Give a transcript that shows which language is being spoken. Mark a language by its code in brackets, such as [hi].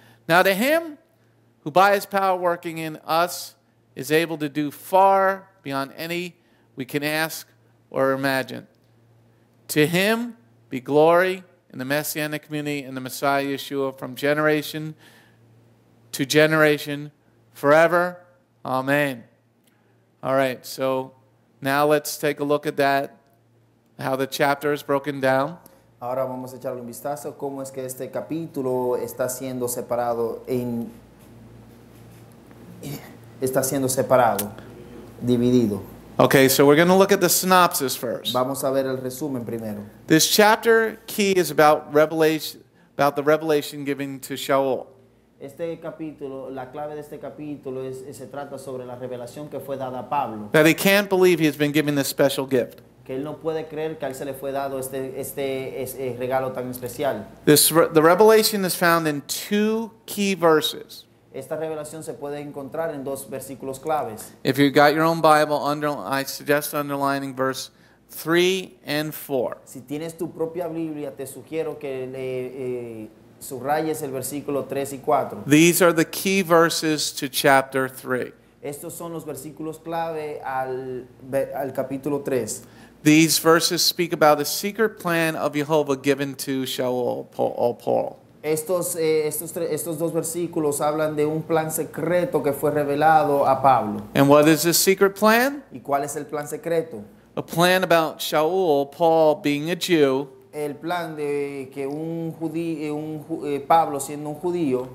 [en] Now, to him who by his power working in us is able to do far beyond any we can ask or imagine, to him be glory in the Messianic community and the Messiah Yeshua from generation to generation forever. Amen. All right, so now let's take a look at that, how the chapter is broken down. [es] Ahora vamos a echarle un vistazo cómo es que este capítulo está siendo separado en... Está siendo separado, dividido. [en] Okay, so we're going to look at the synopsis first. [es] Vamos a ver el resumen primero. [en] This chapter key is about the revelation given to Shaul. [es] Este capítulo, la clave de este capítulo es se trata sobre la revelación que fue dada a Pablo. [en] That he can't believe he's been given this special gift. [es] Que él no puede creer que a él se le fue dado este regalo tan especial. [en] The revelation is found in two key verses. [es] Esta revelación se puede encontrar en dos versículos claves. [en] If you got your own Bible, I suggest underlining verse 3 and 4. [es] Si tienes tu propia Biblia, te sugiero que subrayes el versículo 3 y 4. [en] These are the key verses to chapter 3. [es] Estos son los versículos clave al capítulo 3. [en] These verses speak about the secret plan of Yehovah given to Shaul, Paul. [es] Estos dos versículos hablan de un plan secreto que fue revelado a Pablo. [en] And what is this secret plan? [es] ¿Y cuál es el plan secreto? [en] A plan about Shaul, Paul, being a Jew. [es] El plan de que un judío, Pablo siendo un judío.